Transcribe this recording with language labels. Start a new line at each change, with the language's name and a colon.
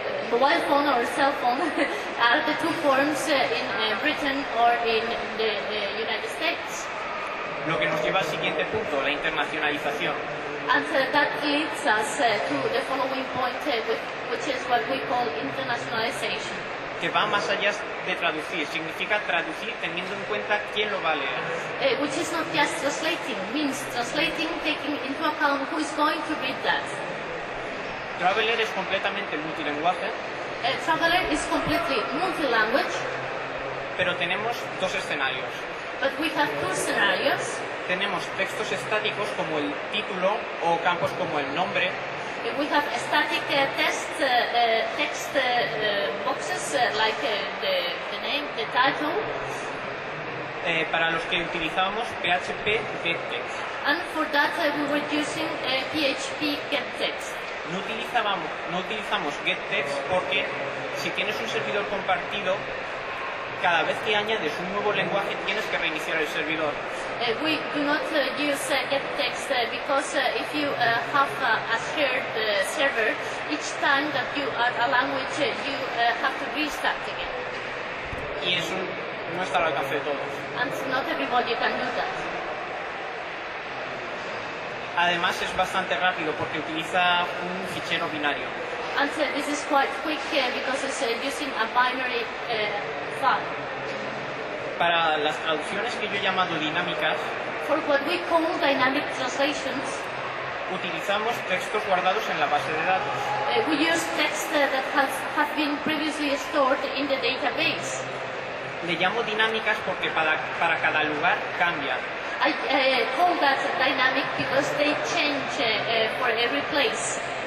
English: Mobile phone or cell phone are the two forms in Britain or in the United States.
Spanish: Lo que nos lleva al siguiente punto, la internacionalización.
English: And that leads us to the following point, which is what we call internationalization.
Spanish: Que va más allá de traducir, significa traducir teniendo en cuenta quién lo va a leer.
English: Which is not just translating, means translating, taking into account who is going to read that.
Spanish: Traveler es completamente multilingüe.
English: Traveler is completely multilanguage.
Spanish: Pero tenemos dos escenarios.
English: But we have two scenarios.
Spanish: Tenemos textos estáticos como el título o campos como el nombre.
English: We have static text boxes like the name, the title.
Spanish: Para los que utilizamos PHP GetText.
English: And for that we were using PHP GetText.
Spanish: No utilizamos GetText porque si tienes un servidor compartido, cada vez que añades un nuevo lenguaje tienes que reiniciar el servidor.
English: We do not use GetText because if you have a shared server, each time that you add a language, you have to restart again.
Spanish: Y eso no está al alcance de todos.
English: And not everybody can do that.
Spanish: Además es bastante rápido porque utiliza un fichero binario.
English: And this is quite quick because it's using a binary file.
Spanish: Para las traducciones que yo he llamado dinámicas,
English: for what we call dynamic translations,
Spanish: utilizamos textos guardados en la base de datos.
English: We use text that have been previously stored in the database.
Spanish: Le llamo dinámicas porque para cada lugar cambia.
English: I call that dynamic because they change for every place.